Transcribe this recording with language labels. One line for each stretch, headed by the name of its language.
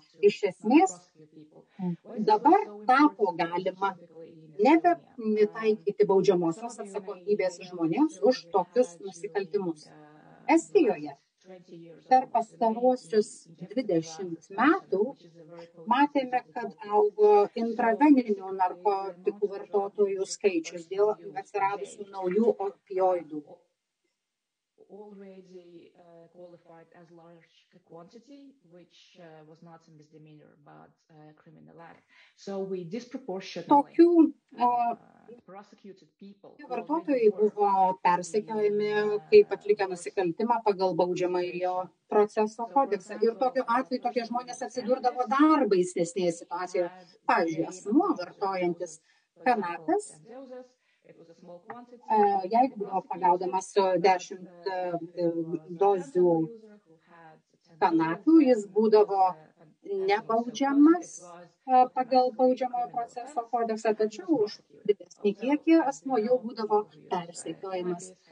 Lithuanian: Iš esmės, dabar tapo galima nebetaikyti baudžiamosios atsakomybės žmonėms už tokius nusikaltimus. Estijoje per pastaruosius 20 metų matėme, kad augo intraveninių narkotikų vartotojų skaičius dėl atsiradusių naujų opioidų.
English: Already qualified as large quantity, which was not a misdemeanor, but a criminal act. So we disproportionately prosecuted people.
Lithuanian: Vartotojai buvo persekiojami, kaip atlikę nusikaltimą pagal baudžiamojo proceso kodeksą. Ir tokiu atveju tokie žmonės atsidurdavo dar baisesnėje situacijoje. Pavyzdžiui, asmuo vartojantis kanapės. Jeigu buvo pagaudamas 10 dozių kanapių, jis būdavo nebaudžiamas pagal baudžiamojo proceso kodeksą, tačiau už didesnį kiekį asmuo jau būdavo persekiojamas.